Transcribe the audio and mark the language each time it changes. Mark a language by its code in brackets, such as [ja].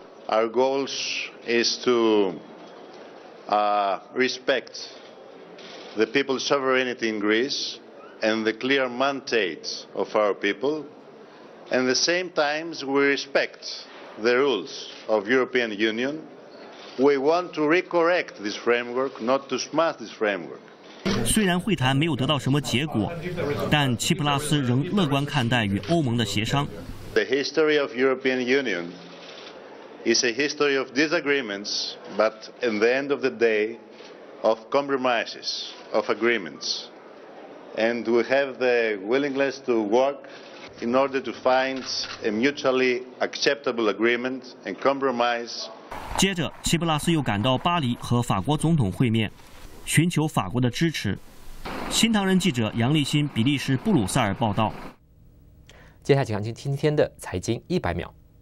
[en] Our goal is to respect the people's sovereignty in Greece and the clear mandate of our people. At the same time, we respect the rules of European Union. We want to recorrect this framework, not to smash this framework. [zh] 虽然会谈没有得到什么结果，但齐普拉斯仍乐观看待与欧盟的协商。 [en] The history of European Union is a history of disagreements, but in the end of the day, of compromises, of agreements, and we have the willingness to work. In order to find a mutually acceptable agreement and compromise. [zh] 接着，齐布拉斯又赶到巴黎和法国总统会面，寻求法国的支持。新唐人记者杨立新，比利时布鲁塞尔报道。接下来，请看今天的财经一百秒。